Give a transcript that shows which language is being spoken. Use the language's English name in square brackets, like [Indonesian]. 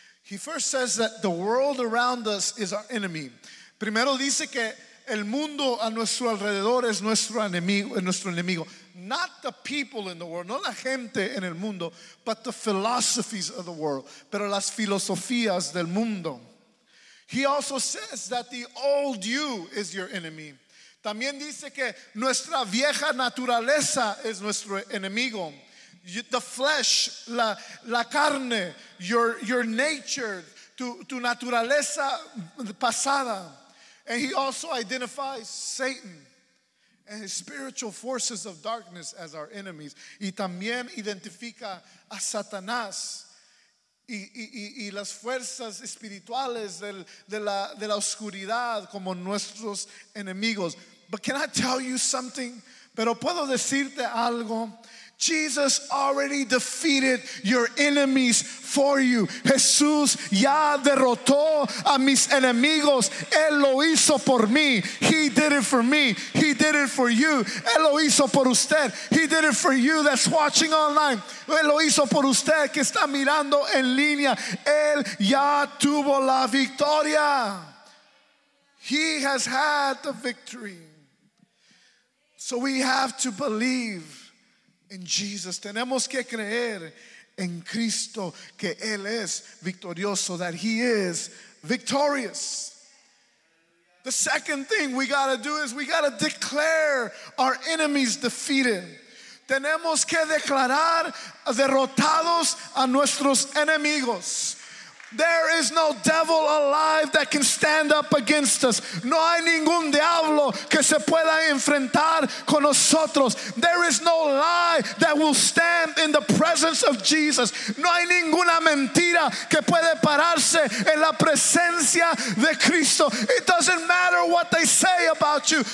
[English] He first says that the world around us is our enemy. [Spanish] Primero dice que el mundo a nuestro alrededor es nuestro enemigo. [English] Not the people in the world, [Spanish] no la gente en el mundo, [English] but the philosophies of the world, [Spanish] pero las filosofías del mundo. [English] He also says that the old you is your enemy. [Spanish] También dice que nuestra vieja naturaleza es nuestro enemigo. [English] The flesh, [Spanish] la carne, [English] your nature, [Spanish] tu naturaleza pasada. [English] And he also identifies Satan and his spiritual forces of darkness as our enemies. [Spanish] Y también identifica a Satanás y las fuerzas espirituales de la oscuridad como nuestros enemigos. [English] But can I tell you something? [Spanish] Pero puedo decirte algo. [English] Jesus already defeated your enemies for you. [Spanish] Jesús ya derrotó a mis enemigos. Él lo hizo por mí. [English] He did it for me. He did it for you. [Spanish] Él lo hizo por usted. [English] He did it for you that's watching online. [Spanish] Él lo hizo por usted que está mirando en línea. Él ya tuvo la victoria. [English] He has had the victory. So we have to believe in Jesus. [Spanish] Tenemos que creer en Cristo, que Él es victorioso, [English] that He is victorious. The second thing we gotta do is we gotta declare our enemies defeated. [Spanish] Tenemos que declarar derrotados a nuestros enemigos. [English] There is no devil alive that can stand up against us. [Spanish] No hay ningún diablo que se pueda enfrentar con nosotros. [English] There is no lie that will stand in the presence of Jesus. [Spanish] No hay ninguna mentira que puede pararse en la presencia de Cristo. [English] It doesn't matter what they say about you.